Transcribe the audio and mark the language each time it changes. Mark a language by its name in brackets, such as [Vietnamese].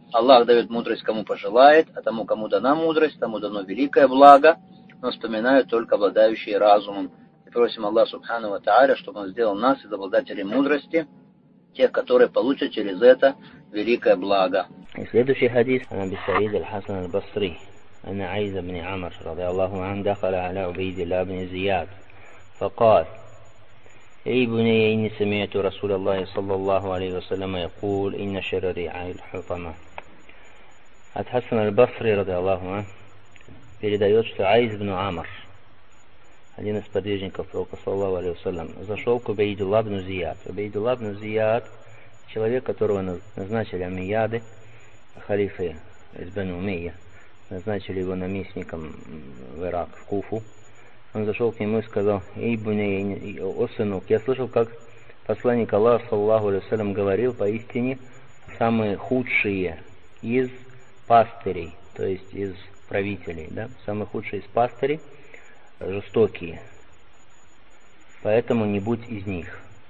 [Russian] Аллах дает мудрость, кому пожелает, а тому, кому дана мудрость, тому дано великое благо, но вспоминают только обладающие разумом. И просим Аллах, субхана ва та'аля, чтобы Он сделал нас из обладателей мудрости, тех, которые получат через это великое благо. И следующий хадис, он бисаид аль-Хасан аль-Басри. [Arabic] أن عيسى بن عمر رضي الله عنه دخل على عبيد الله بن زياد فقال أي بني إني سمعت رسول الله صلى الله عليه وسلم يقول إن شر رعاء الحطمة الحسن البصري رضي الله عنه [Russian] передает, что [Arabic] عيسى بن عمر [Russian] один из подвижников пророка [Arabic] صلى الله عليه وسلم [Russian] зашел к [Arabic] عبيد الله بن زياد. [Russian] عبيد الله بن زياد человек, которого назначили Амияды халифы из Бану Умейя, назначили его наместником в Ирак, в Куфу. Он зашел к нему и сказал: «Эй, буней, о сынок, я слышал, как посланник Аллаха, саллаллаху алейхи ва саллям, говорил, поистине, самые худшие из пастырей, то есть из правителей, да, самые худшие из пастырей, жестокие, поэтому не будь из них».